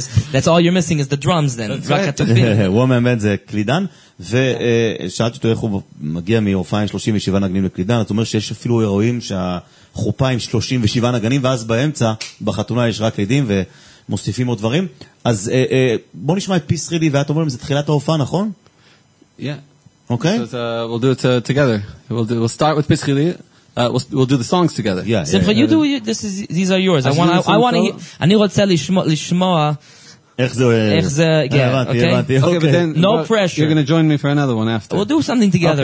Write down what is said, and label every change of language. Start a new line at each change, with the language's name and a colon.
English: That's all you're missing is the drums then. One man band
Hebrew: זה קלידן, ושאלתי אותו איך הוא מגיע מהופעה עם 37 נגנים לקלידן, זאת אומרת שיש אפילו אירועים שהחופה עם 37 נגנים, ואז באמצע בחתונה יש רק לידים ומוסיפים עוד דברים. אז בוא נשמע את פיס חילי, ואת אומרים, זה תחילת ההופעה, נכון?
English: Yeah. Okay. So we'll do it together. We'll start with Piz Chili. We'll do the songs together. Yeah. So yeah, you do you, this is these are yours. I want to hear
Hebrew: איך זה,
English: okay. No pressure. You're going to join me for another one after. We'll do something together